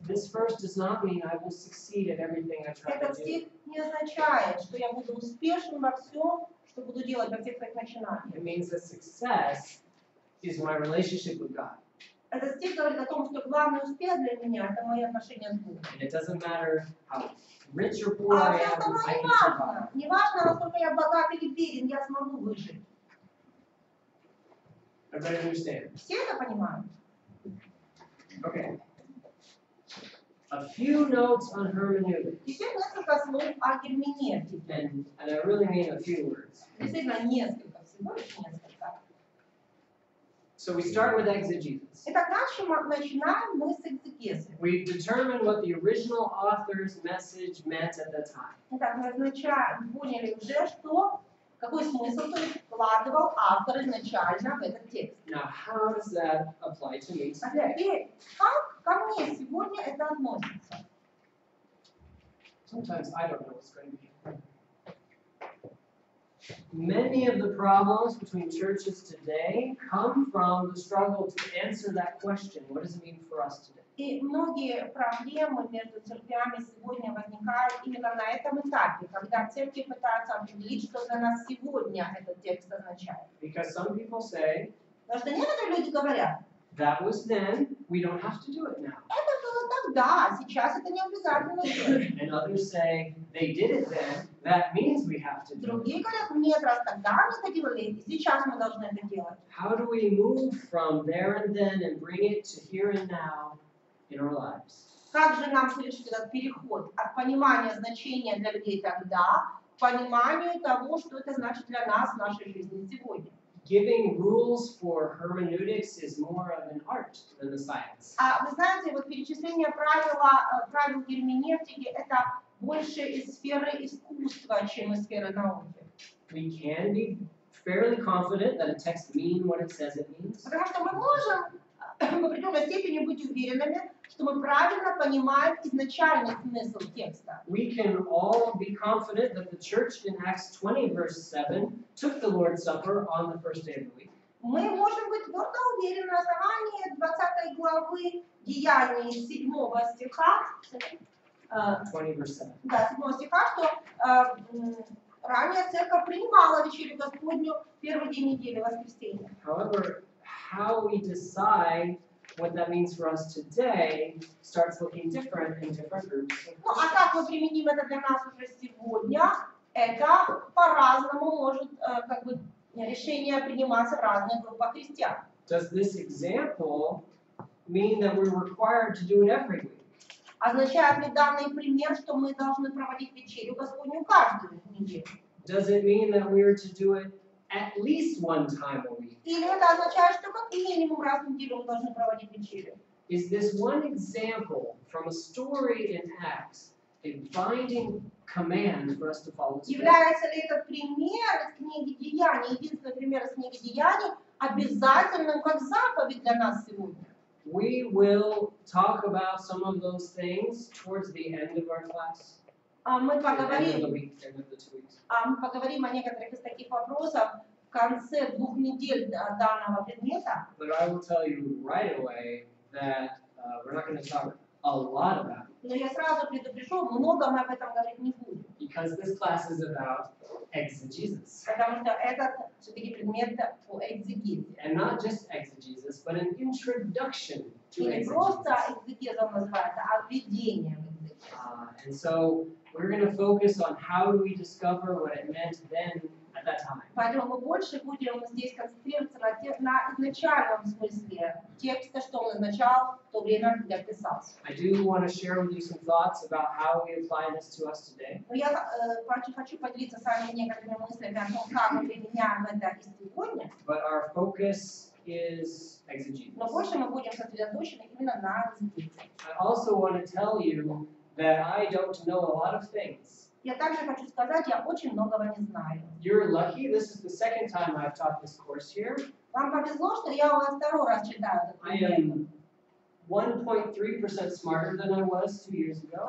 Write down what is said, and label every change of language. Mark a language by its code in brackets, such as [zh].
[en] This verse does not mean I will succeed at everything I try to do. [ru] Не означает, что я буду успешен во всем, что буду делать во всех своих начинаниях. [en] It means that success is my relationship with God. [ru] Этот стих говорит о том, что главный успех для меня – это мои отношения с Богом. [en] It doesn't matter how rich or poor I am, I can survive. [ru] Не важно, насколько я богат или беден, я смогу выжить. [en] Everybody understands? [ru] Все это понимают? [en] Okay. A few notes on hermeneutics. [ru] Еще несколько слов о герменевтике. [en] And I really mean a few words. [ru] Действительно, несколько, всего лишь несколько. [en] So we start with exegesis. [ru] Итак, начинаем мы с экзегезы. [en] We determine what the original author's message meant at the time. [ru] Итак, мы поняли уже, что какой смысл то есть вкладывал автор изначально в этот текст. [en] Now, how does that apply to me? [ru] Как ко мне сегодня это относится? [en] Sometimes I don't know what's going to be. Many of the problems between churches today come from the struggle to answer that question. What does it mean for us today? [ru] И многие проблемы между церквями сегодня возникают именно на этом этапе, когда церкви пытаются определить, что для нас сегодня этот текст означает. [en] Because some people say, [ru] потому что некоторые люди говорят, [en] that was then, we don't have to do it now. [ru] Это было тогда, сейчас это не обязательно делать. [en] And others say, they did it then, that means we have to do it. [ru] Другие говорят, нет, раз тогда мы это делали, и сейчас мы должны это делать. [en] How do we move from there and then and bring it to here and now? [ru] Как же нам совершить этот переход от понимания значения для людей тогда к пониманию того, что это значит для нас в нашей жизни сегодня? [en] Giving rules for hermeneutics is more of an art than a science. [ru] А вы знаете, вот перечисление правил герменевтики это больше из сферы искусства, чем из сферы науки. [en] We can be fairly confident that a text means what it says it means. [ru] Потому что мы можем в определенной степени быть уверенными, что мы правильно понимаем изначальный смысл текста. [en] We can all be confident that the church in Acts 20, verse 7, took the Lord's Supper on the first day of the week. [ru] Мы можем быть твердо уверены на основании 20 главы Деяний 7 стиха. [en] 20, verse 7. [ru] Да, 7 стиха, что ранее церковь принимала вечерю Господню первый день недели воскресенья. [en] However, how we decide what that means for us today starts looking different in different groups. [ru] Ну, а как мы применим это для нас уже сегодня? Это по-разному может как бы решение приниматься в разных группах христиан. [en] Does this example mean that we're required to do it every week? [ru] Означает ли данный пример, что мы должны проводить вечерю Господню каждую неделю? [en] Does it mean that we are to do it at least one time a week? [ru] Или это означает, что как минимум раз в неделю мы должны проводить вечерю? [en] Is this one example from a story in Acts a binding command for us to follow today? [ru] Является ли этот пример из книги Деяний, единственный пример из книги Деяний, обязательным как заповедь для нас сегодня? [en] We will talk about some of those things towards the end of our class. [ru] Мы поговорим о некоторых из таких вопросов в конце двух недель данного предмета. [en] But I will tell you right away that we're not going to talk a lot about it. [ru] Но я сразу предупрежу, много мы об этом говорить не будем. [en] Because this class is about exegesis. [ru] Потому что этот все-таки предмет по экзегезе. [en] And not just exegesis, but an introduction to exegesis. [ru] Не просто экзегеза называется, а введение. [en] And so we're going to focus on how do we discover what it meant then at that time. [ru] Поэтому мы больше будем здесь концентрироваться на изначальном смысле текста, что он означал в то время, когда писался. [en] I do want to share with you some thoughts about how we apply this to us today. [ru] Я хочу поделиться с вами некоторыми мыслями о том, как мы применяем это и сегодня. [en] But our focus is exegesis. [ru] Но больше мы будем сосредоточены именно на экзегезе. [en] I also want to tell you that I don't know a lot of things. [ru] Я также хочу сказать, я очень многого не знаю. [en] You're lucky. This is the second time I've taught this course here. [ru] Вам повезло, что я у вас второй раз читаю этот курс. [en] I am 1.3% smarter than I was 2 years ago.